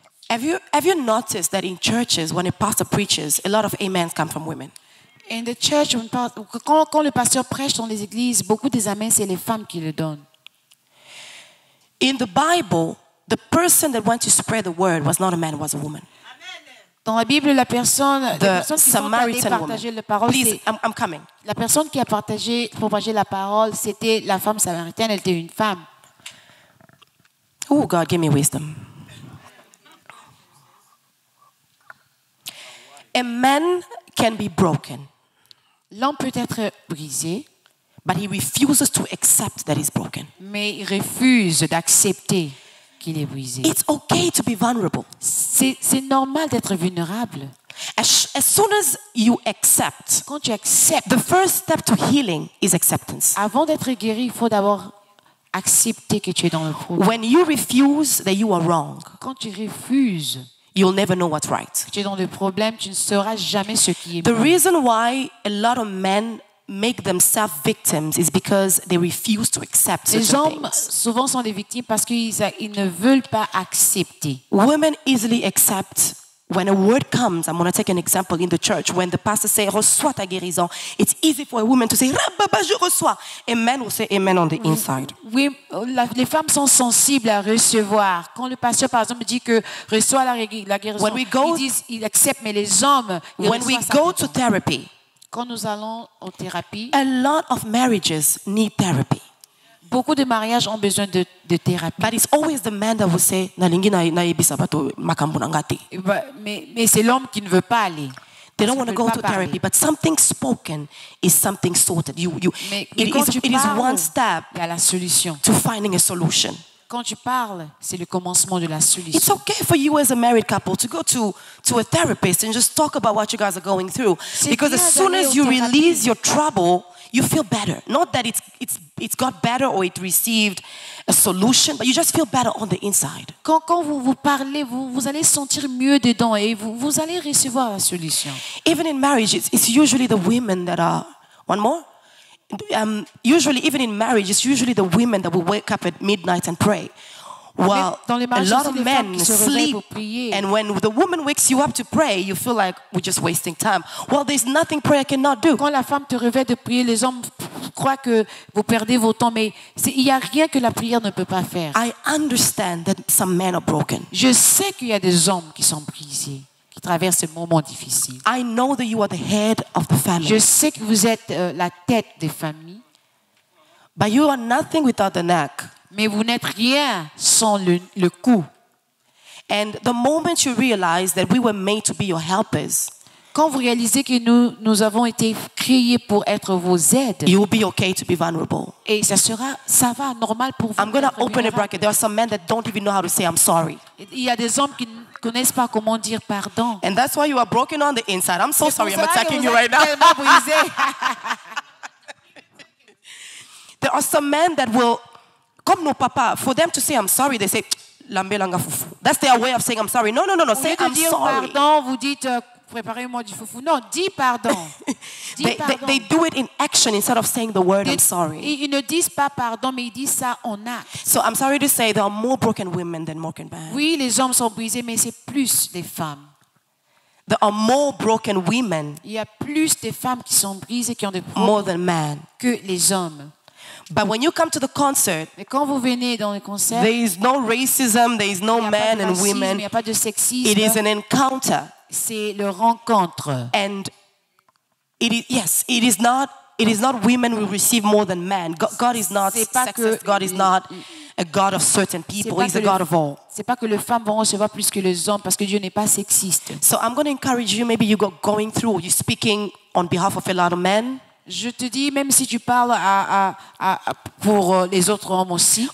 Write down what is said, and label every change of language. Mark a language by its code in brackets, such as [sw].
[en] Have you noticed that in churches when a pastor preaches, a lot of amens come from women? In the church, [fr] quand le pasteur prêche dans les églises, beaucoup des amens, c'est les femmes qui le donnent. [en] In the Bible, the person that went to spread the word was not a man, was a woman. Amen. [fr] Dans la Bible, la personne, la personne qui a propagé la parole, c'était la femme samaritaine, elle était une femme. [en] Oh, God, give me wisdom. A man can be broken. [fr] L'homme peut être brisé, [en] but he refuses to accept that he's broken. [fr] Mais il refuse d'accepter qu'il est brisé. [en] It's okay to be vulnerable. [fr] C'est normal d'être vulnérable. [en] As soon as you accept, [fr] quand tu acceptes, [en] the first step to healing is acceptance. [fr] Avant d'être guéri, il faut d'abord accepter que tu es dans le problème. [en] When you refuse that you are wrong, [fr] quand tu refuses, [en] you'll never know what's right. [fr] Tu es dans le problème, tu ne sauras jamais ce qui est [en] bon. The reason why a lot of men make themselves victims is because they refuse to accept such [fr] things. Les hommes souvent sont des victimes parce qu'ils ne veulent pas accepter. [en] Women easily accept when a word comes. I'm going to take an example in the church. When the pastor says, [fr] reçois ta guérison, [en] it's easy for a woman to say, Rababa, [fr] je reçois. [en] A man will say amen on the inside. [fr] Oui, les femmes sont sensibles à recevoir. Quand le pastor, par exemple, dit que reçois la guérison, [en] when we go, [fr] il accepte, mais les hommes, ils [en] when we go to therapy, [fr] quand nous allons en thérapie, [en] a lot of marriages need therapy. [fr] Beaucoup de mariages ont besoin de thérapie. [en] But it's always the man that will say, [ln] "Nalingi na ibisabato makambu nangati." [fr] Mais c'est l'homme qui ne veut pas aller. [en] They don't want to go to therapy. But something spoken is something sorted. You. [fr] Mais [en] it is one step [fr] à la solution. [en] To finding a solution. [fr] Quand tu parles, c'est le commencement de la solution. [en] It's okay for you as a married couple to go to a therapist and just talk about what you guys are going through. [fr] C'est [en] because as soon as you release your trouble, you feel better. Not that it's got better or it received a solution, but you just feel better on the inside. [fr] Quand vous parlez, vous allez sentir mieux dedans et vous allez recevoir la solution. [en] Even in marriage, it's usually the women that are... One more? Usually, even in marriage, it's usually the women that will wake up at midnight and pray. While [fr] dans les [en] marges, a lot of men sleep, and when the woman wakes you up to pray, you feel like we're just wasting time. Well, there's nothing prayer cannot do. [fr] Quand la femme te réveille de prier, les hommes croient que vous perdez votre temps, mais il n'y a rien que la prière ne peut pas faire. [en] I understand that some men are broken. [fr] Je sais qu'il y a des hommes qui sont brisés, qui traversent ces moments difficiles. [en] I know that you are the head of the family. [fr] Je sais que vous êtes la tête des familles. [en] But you are nothing without the neck. [fr] Mais vous n'êtes rien sans le cou. [en] And the moment you realize that we were made to be your helpers, [fr] quand vous réalisez que nous avons été créés pour être vos aides, [en] you will be okay to be vulnerable. [fr] Et ça va normal pour vous. [en] I'm going to open a bracket. There are some men that don't even know how to say I'm sorry. [fr] Il y a des hommes qui ne connaissent pas comment dire pardon. [en] And that's why you are broken on the inside. I'm so sorry. I'm attacking you right now. There are some men that will. [fr] Comme nos papas, [en] for them to say I'm sorry, they say [ln] lambe langa fufu. [en] That's their way of saying I'm sorry. No. Say I'm [fr] dire [en] sorry. [fr] Pardon, vous dites préparez-moi du fufu. Non, dis pardon. [en] they do it in action instead of saying the word I'm sorry. [fr] Ils ne disent pas pardon, mais ils disent ça en acte. [en] So I'm sorry to say there are more broken women than broken men. [fr] Oui, les hommes sont brisés, mais c'est plus les femmes. [en] There are more broken women. [fr] Il y a plus de femmes qui sont brisées qui ont des [en] problèmes. More than men. [fr] Que les hommes. [en] But when you come to the concert, [fr] mais quand vous venez dans le concert, [en] there is no racism, there is no men and women. [fr] Il n'y a pas de sexisme. [en] It is an encounter. [fr] C'est le rencontre. [en] And it is not women will receive more than men. God is not sexist. God is not a God of certain people. He's a God of all. [fr] C'est pas que les femmes vont recevoir plus que les hommes parce que Dieu n'est pas sexiste. [en] So I'm going to encourage you. Maybe you got going through. You're speaking on behalf of a lot of men. [fr] Je te dis, même si tu parles pour les autres hommes aussi,